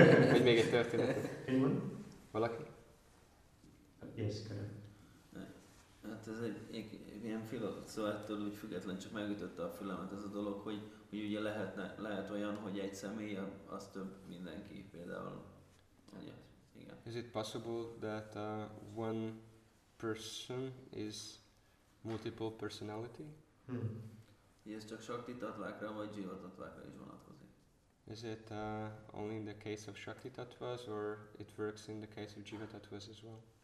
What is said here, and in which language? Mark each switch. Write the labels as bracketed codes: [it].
[hu] Vagy még egy történetet. [en] Anyone? [hu] Valaki? [en] Yes, correct. [hu] Hát ez egy ilyen filozófiától úgy független, csak megütötte a fülemet ez a dolog, hogy ugye lehet olyan, hogy egy személy, az több mindenki, például. Igen. [en] Is it possible that one person is multiple personality? [hu] Ez csak Shakti-tattvákra vagy Jiva-tattvákra is vonatkozik. [en] Is it only in the case of Shakti-tattvas, or it works in the case of Jiva-tattvas as well?